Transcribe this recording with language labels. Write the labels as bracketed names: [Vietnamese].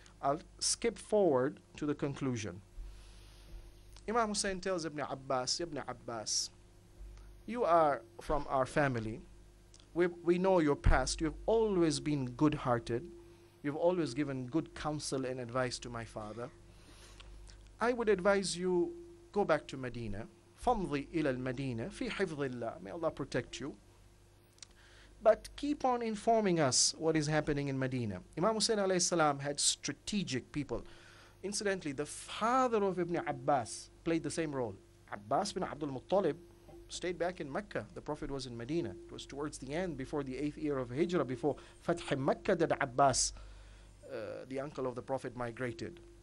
[English] I'll skip forward to the conclusion. Imam Hussein tells Ibn Abbas, you are from our family. We know your past. You've always been good-hearted. You've always given good counsel and advice to my father. I would advise you, go back to Medina. [Arabic] فَمْضِي إِلَى الْمَدِينَةِ فِي حِفْظِ اللَّهِ [English] May Allah protect you. But keep on informing us what is happening in Medina. Imam Hussain alayhi salam had strategic people. Incidentally, the father of Ibn Abbas played the same role. Abbas bin Abdul Muttalib stayed back in Mecca. The Prophet was in Medina. It was towards the end, before the eighth year of Hijrah, before Fath Mecca, that Abbas, the uncle of the Prophet, migrated.